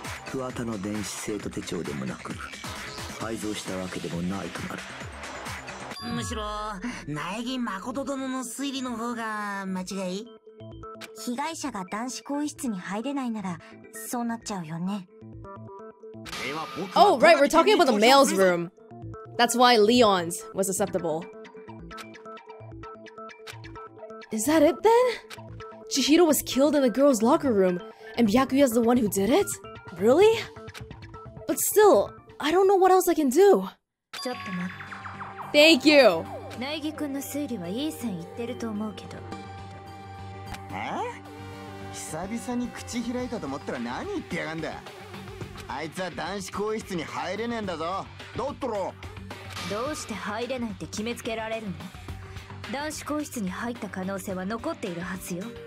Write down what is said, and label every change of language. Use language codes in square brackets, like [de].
[ja] 桑田の電子生徒手帳でもなく改造したわけでもないとなる。むしろ苗木誠殿の推理の方が間違い。被害者が男子更衣室に入れないならそうなっちゃうよね。 [en] Oh right, we're talking about the male's room. That's why Leon's was acceptable. Is that it then? Chihiro was killed in the girl's locker room and Byakuya's the one who did it? Really? But still, I don't know what else I can do. [ja] ちょっと待って。 [en] Thank you! [ja] 苗木君の推理はいい線いってると思うけど。え？久々に口開いたと思ったら何言ってやがんだ。あいつは男子更衣室に入れねえんだぞ。どっとろ。どうして入れないって決めつけられるの？男子更衣室に入った可能性は残っているはずよ。